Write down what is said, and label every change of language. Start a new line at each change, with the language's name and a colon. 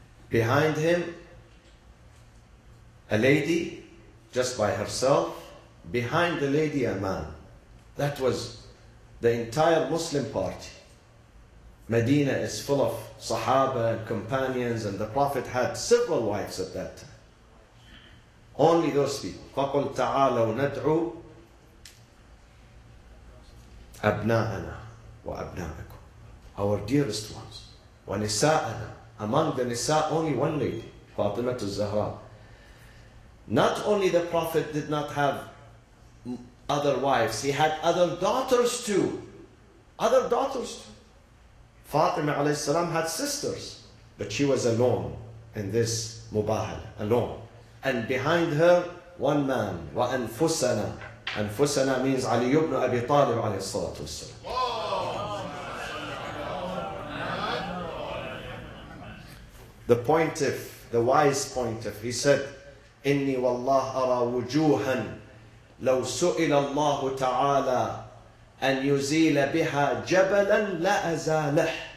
English: Behind him, a lady just by herself. Behind the lady, a man. That was the entire Muslim party. Medina is full of Sahaba and companions, and the Prophet had several wives at that time. Only those people.
Arabic: فَقُلْ تَعَالَوْ نَدْعُوا أَبْنَاءَنَا وَأَبْنَاءَكُمْ,
English: our dearest ones. وَنِسَاءَنَا, among the Nisa, only one lady, Fatima al-Zahra. Not only the Prophet did not have other wives, he had other daughters too. Other daughters too. Fatima alayhi salam had sisters, but she was alone in this mubahala, alone. And behind her, one man, وَأَنفُسَنَا. أَنفُسَنَا means Ali ibn Abi Talib alayhi salatu wasalam. The pointiff, the wise pointiff, he said,
Arabic: إِنِّي وَاللَّهَ أَرَى وُجُوهًا لَوْ سُئِلَ اللَّهُ تَعَالَى أَنْ يُزِيلَ بِهَا جَبَلًا لَأَزَالَهُ.